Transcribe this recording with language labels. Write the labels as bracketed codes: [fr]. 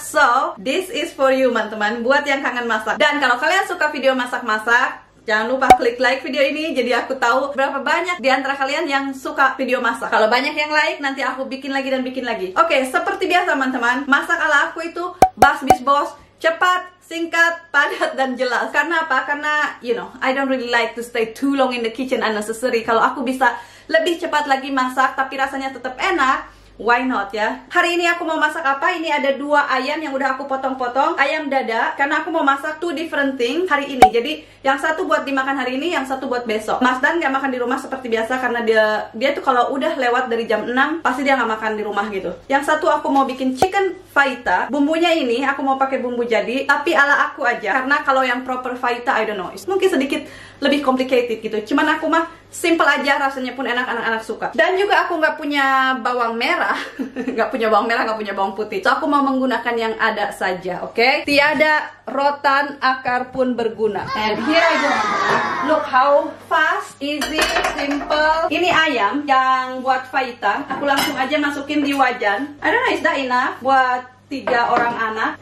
[en] So, this is for you, [id] teman-teman, buat yang kangen masak. Dan kalau kalian suka video masak-masak, jangan lupa klik like video ini jadi aku tahu berapa banyak di antara kalian yang suka video masak. Kalau banyak yang like, nanti aku bikin lagi dan bikin lagi. Oke, seperti biasa, teman-teman, masak ala aku itu bas-bis-bos, cepat, singkat, padat, dan jelas. Karena apa? Karena, [en] you know, I don't really like to stay too long in the kitchen unnecessary. [id] Kalau aku bisa lebih cepat lagi masak tapi rasanya tetap enak, [en] why not [id] ya? Hari ini aku mau masak apa? Ini ada dua ayam yang udah aku potong-potong, ayam dada, karena aku mau masak [en] two different things [id] hari ini. Jadi yang satu buat dimakan hari ini, yang satu buat besok. Mas Dan gak makan di rumah seperti biasa, karena dia tuh kalau udah lewat dari jam 6 pasti dia gak makan di rumah gitu. Yang satu aku mau bikin chicken fajita. Bumbunya ini aku mau pakai bumbu jadi tapi ala aku aja, karena kalau yang proper fajita, [en] I don't know, [id] mungkin sedikit lebih complicated gitu. Cuman aku mah simple aja, rasanya pun enak, anak-anak suka. Dan juga aku gak punya bawang merah. Gak punya bawang merah, gak punya bawang putih. So aku mau menggunakan yang ada saja, oke? Okay? Tiada rotan akar pun berguna. [en] And here I go. Look how fast, easy, simple. [id] Ini ayam yang buat fajita. Aku langsung aja masukin di wajan. [en] I don't know, is that enough [id] buat 3 orang anak?